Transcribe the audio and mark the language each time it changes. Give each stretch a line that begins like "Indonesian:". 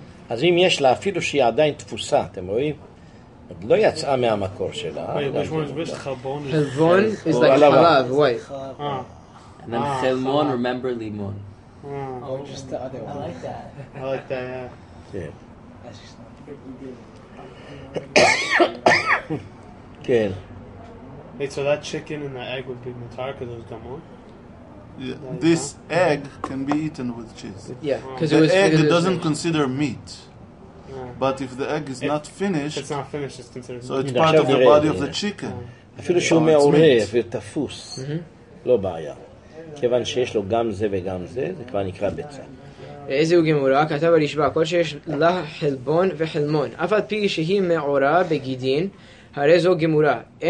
Hebrew: אז אם יש לה, אפילו שהיא עדיין תפוסה, אתם רואים? עוד לא יצאה מהמקור שלה.
English: חלבון is like חלב, white. And then חלמון, remember לימון. Oh, just the other one. I like that, yeah.
Hebrew: כן.
English: Wait, so that chicken and the egg would be mutar because it was gamur? This egg can be eaten with cheese. Yeah. The egg doesn't consider meat. But if the egg is not finished, it's not finished, it's considered. So it's part of the body of the chicken.
Hebrew: אפילו שהוא מעורה ותפוס, לא בעיה. כיוון שיש לו גם זה וגם זה, זה כבר נקרא ביצה. איזה הוא גמורה? כתב על ישבה, כל שיש לה חלבון וחלמון. אף על פי שהיא מעורה בגידין, הרי זו גמורה.